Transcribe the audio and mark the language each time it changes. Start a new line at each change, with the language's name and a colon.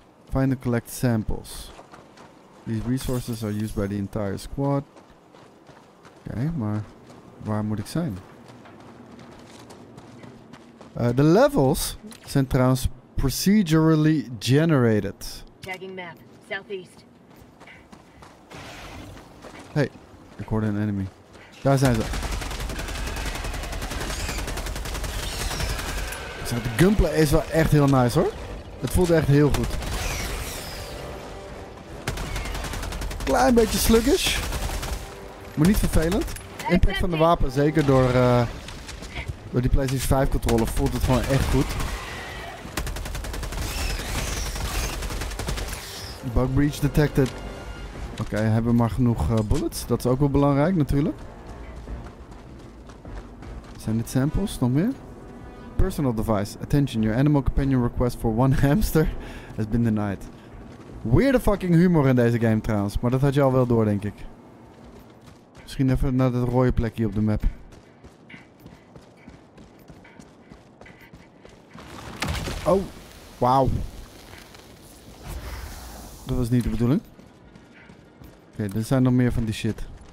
English: Find and collect samples. These resources are used by the entire squad.
Dutch: Oké, maar waar moet ik zijn? De levels zijn trouwens procedurally generated.
English: Tagging map, southeast.
Dutch: Hey, ik hoorde een enemy. Daar zijn ze. Zo, de gunplay is wel echt heel nice, hoor. Het voelt echt heel goed. Klein beetje sluggish. Maar niet vervelend. Impact van de wapen, zeker door die PlayStation 5 controller, voelt het gewoon echt goed.
English: Bug breach detected.
Dutch: Oké, hebben we maar genoeg bullets. Dat is ook wel belangrijk natuurlijk. Zijn dit samples? Nog meer?
English: personal device. Attention, your animal companion request for one hamster has been denied.
Dutch: Weirde fucking humor in deze game trouwens. Maar dat had je al wel door, denk ik. Misschien even naar dat rode plekje op de map. Oh, wauw. Dat was niet de bedoeling. Oké, okay, er zijn nog meer van die shit.